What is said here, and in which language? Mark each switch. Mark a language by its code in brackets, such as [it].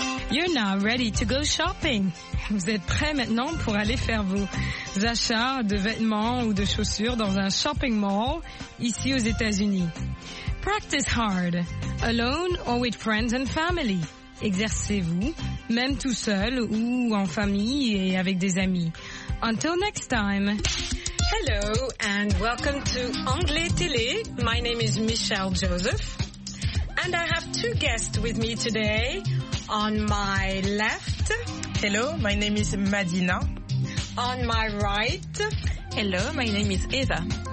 [en] You're now ready to go shopping. [fr] Vous êtes prêts maintenant pour aller faire vos achats de vêtements ou de chaussures dans un shopping mall ici aux États-Unis. [en] Practice hard, alone or with friends and family. [fr] Exercez-vous, même tout seul ou en famille et avec des amis. [en] Until next time. Hello. Hello and welcome to Anglais Télé. My name is Michelle Joseph. And I have two guests with me today. On my left. Hello, my name is Madina. On my right. Hello, my name is Eva.